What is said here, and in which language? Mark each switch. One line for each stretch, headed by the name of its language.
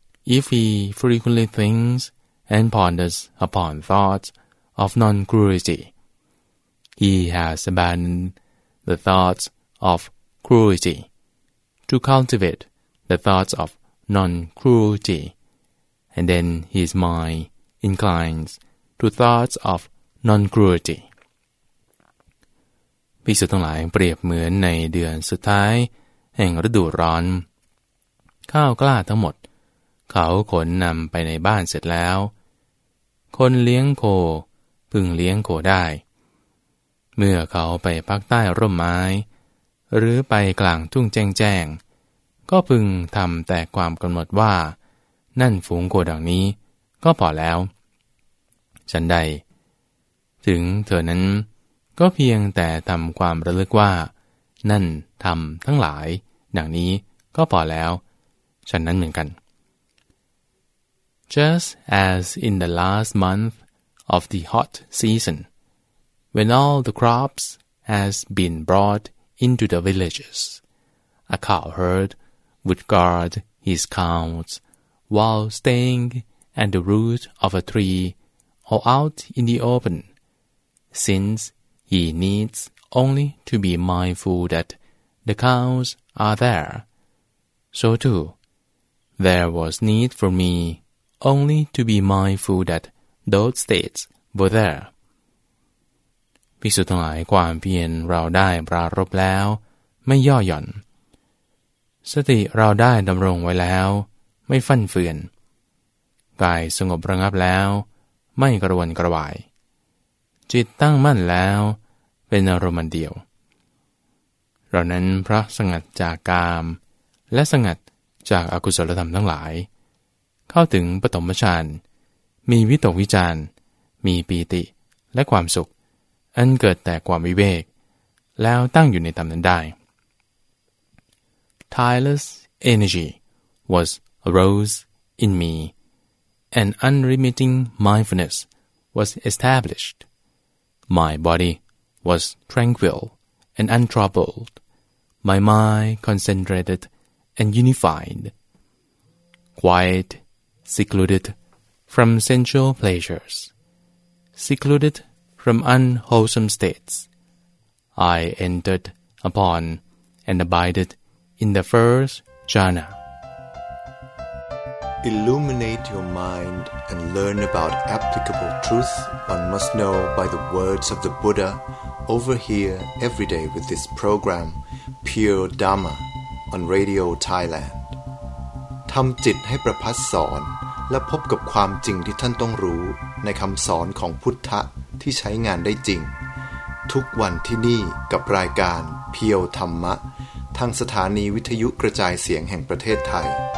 English: If he frequently thinks and ponders upon thoughts of non-cruelty, he has abandoned the thoughts of cruelty to cultivate the thoughts of non-cruelty, and then his mind inclines to thoughts of non-cruelty.
Thai: ภิกษุทั้งหลายเปรียบเหมือนในเดือนสุดท้ายแห่งฤดูร้อนข้าวกล้าทั้งหมดเขาขนนำไปในบ้านเสร็จแล้วคนเลี้ยงโคพึงเลี้ยงโคได้ เมื่อเขาไปพักใต้ร่มไม้หรือไปกลางทุ่งแจ้งๆก็พึงทำแต่ความกำหนดว่านั่นฝูงโคดังนี้ก็พอแล้ว ฉันใดถึงเธอนั้นก็เพียงแต่ทำความระลึกว่านั่นธรรมทั้งหลายดังนี้ก็พอแล้วฉันนั้นเหมือนกัน
English: Just as in the last month of the hot season, when all the crops has been brought into the villages, a cowherd would guard is calmed while staying at the root of a tree or out in the open, since he needs only to be mindful that the cows are there. So too, there was need for me only to be mindful that those states were there.
Thai: ภิกษุทั้งหลายความเพียรเราได้ปรารภแล้วไม่ย่อหย่อนสติเราได้ดำรงไว้แล้วไม่ฟั่นเฟือนกายสงบระงับแล้วไม่กระวนกระวายจิตตั้งมั่นแล้วเป็นอารมณ์เดียว เรานั้นเพราะสงัดจากกามและสงัดจากอกุศลธรรมทั้งหลายเข้าถึงปฐมฌานมีวิตกวิจารมีปีติและความสุขอันเกิดแต่ความวิเวกแล้วตั้งอยู่ในธรรมนั้นได้
English: Tireless energy was arose in me, and unremitting mindfulness was established. My body was tranquil and untroubled, my mind concentrated and unified. Quiet, secluded from sensual pleasures, secluded from unwholesome states, I entered upon and abided in the first jhana. Illuminate your mind and learn about applicable truth one must know by the words of the Buddha over here every day with this program, Pure Dharma, on Radio Thailand.
Thai: ทำจิตให้ประพัสสอนและพบกับความจริงที่ท่านต้องรู้ในคำสอนของพุทธะที่ใช้งานได้จริงทุกวันที่นี่กับรายการเพียวธรรมะทางสถานีวิทยุกระจายเสียงแห่งประเทศไทย